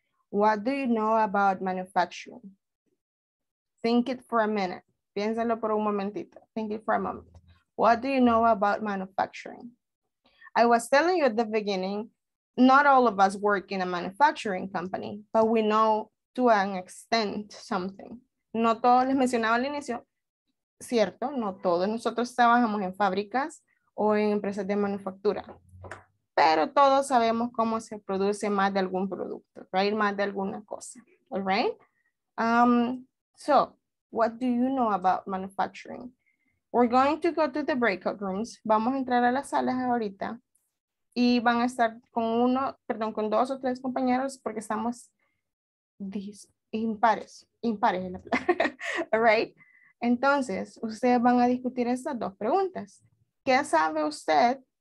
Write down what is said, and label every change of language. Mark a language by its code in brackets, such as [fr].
[en] What do you know about manufacturing? Think it for a minute. [es] Piénsalo por un momentito. [en] Think it for a moment. What do you know about manufacturing? I was telling you at the beginning, not all of us work in a manufacturing company, but we know to an extent something. [es] No todos les mencionaba al inicio, cierto, no todos nosotros trabajamos en fábricas o en empresas de manufactura. Pero todos sabemos cómo se produce más de algún producto, right? Más de alguna cosa, [en] all right? So, what do you know about manufacturing? We're going to go to the breakout rooms. [es] Vamos a entrar a las salas ahorita. Y van a estar con uno, perdón, con dos o tres compañeros porque estamos impares. Impares en la plaza, [en] all right? [es] Entonces, ustedes van a discutir estas dos preguntas. ¿Qué sabe usted